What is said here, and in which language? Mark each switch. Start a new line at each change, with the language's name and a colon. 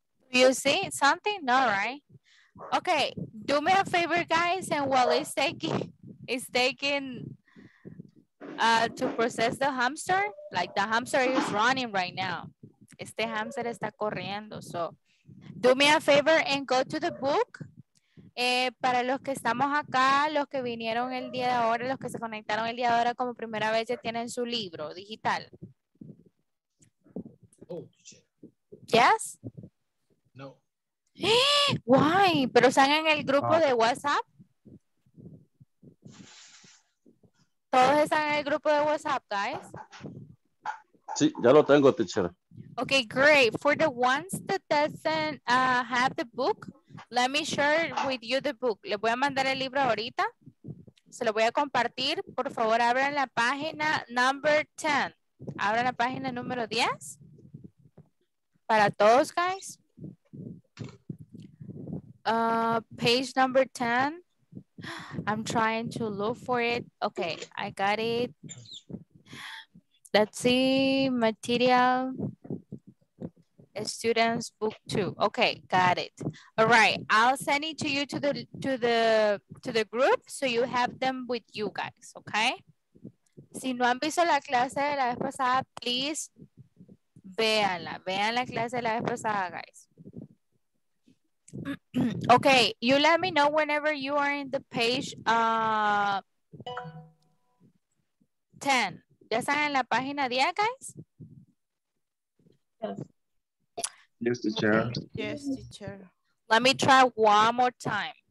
English: You see something? No, right? Okay. do me a favor, guys, and while it's taking to process the hamster, like the hamster is running right now.
Spanish: Este hamster está corriendo.
English: So do me a favor and go to the book.
Spanish: Para los que estamos acá, los que vinieron el día de ahora, los que se conectaron el día de ahora como primera vez, ya tienen su libro digital.
English: Oh, shit. Yes? No.
Spanish: Why? ¿Pero están en el grupo de WhatsApp? ¿Todos están en el grupo de WhatsApp, guys? Sí, ya lo tengo, teacher.
English: Okay, great. For the ones that doesn't have the book, let me share with you the book.
Spanish: Les voy a mandar el libro ahorita. Se lo voy a compartir. Por favor, abran la página
English: number 10.
Spanish: Abran la página número 10. Para todos, guys.
English: Page number 10. I'm trying to look for it. Okay, I got it. Let's see, material. A student's book two. Okay, got it. All right, I'll send it to you to the group so you have them with you guys, okay?
Spanish: Si no han visto la clase de la vez pasada, please véanla. Vean la clase de la vez pasada, guys.
English: Okay, you let me know whenever you are in the page 10.
Spanish: ¿Ya están en la página 10, guys?
English: Yes, teacher. Okay. Yes, teacher. Let me try one more time.